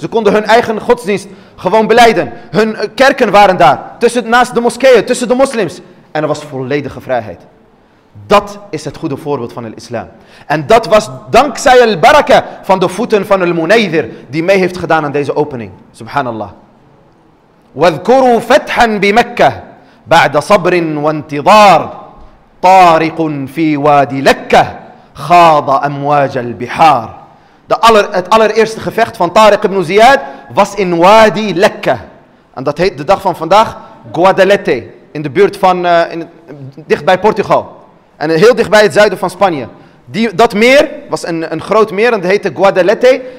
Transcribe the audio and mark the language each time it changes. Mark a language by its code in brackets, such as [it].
[nl] Ze konden hun eigen godsdienst gewoon belijden. Hun kerken waren daar, naast de moskeeën, tussen de moslims. En er was volledige vrijheid. Dat is het goede voorbeeld van Al-Islam. En dat was dankzij al-baraka van de voeten van al-Munayyidhir die mee heeft gedaan aan deze opening. [ar] Subhanallah. Wadhkuru fathan bi Mekka. بعد صبر وانتظار طارق في وادي لكة خاض أمواج البحار. [nl] Het allereerste gevecht van Tariq ibn Ziyad was in Wadi Lekka. En dat heet de dag van vandaag Guadalete. In de buurt van, dichtbij Portugal. En heel dichtbij het zuiden van Spanje. Dat meer was een groot meer en dat heette Guadalete.